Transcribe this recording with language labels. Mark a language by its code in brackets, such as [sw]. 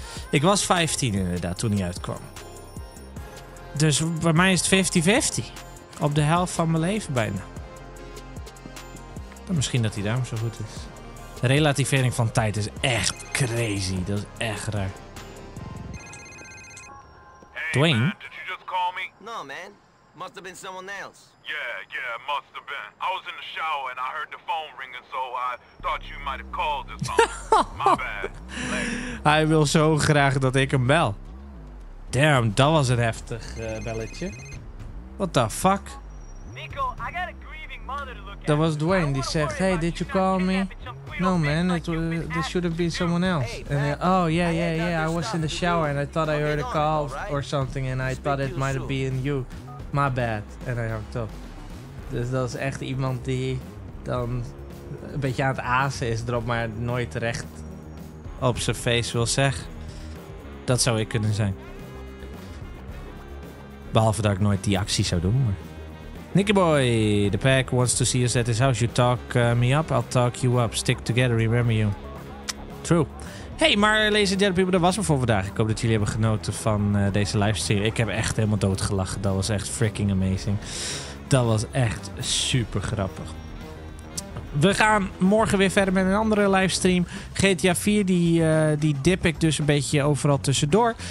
[nl] Ik was 15 inderdaad toen hij uitkwam. Dus bij mij is het 50-50. Op de helft van mijn leven bijna. Dan misschien dat hij daarom zo goed is. De relativering van tijd is echt crazy. Dat is echt raar. [en] Hey, Dwayne? Man, did you just call me? No, man. Must have been someone else. Yeah, must have been. I was in the shower and I heard the phone ringing, so I thought you might have called or something. My bad. [nl] Hij wil zo graag dat ik hem bel. Damn, dat was een heftig belletje. [en] What the fuck? Nico, I got a grieving mother to look at. [nl] Dat was Dwayne die zegt, [en] hey, did you call me? No, man, there should have been someone else. And they, oh, yeah, I was in the shower and I thought I heard a call or something and I thought it might have been you. My bad. [nl] En hij hangt op. Dus dat is echt iemand die dan een beetje aan het azen is, erop maar nooit recht op zijn face wil zeggen. Dat zou ik kunnen zijn. Behalve dat ik nooit die actie zou doen, maar... [en] Nicky boy, the pack wants to see us at his house. You talk me up, I'll talk you up. Stick together, remember you. True. [nl] Hey, maar [en] ladies and gentlemen, [nl] dat was me voor vandaag. Ik hoop dat jullie hebben genoten van deze livestream. Ik heb echt helemaal doodgelachen. Dat was echt [en] freaking amazing. [nl] Dat was echt super grappig. We gaan morgen weer verder met een andere livestream. GTA 4, die dip ik dus een beetje overal tussendoor.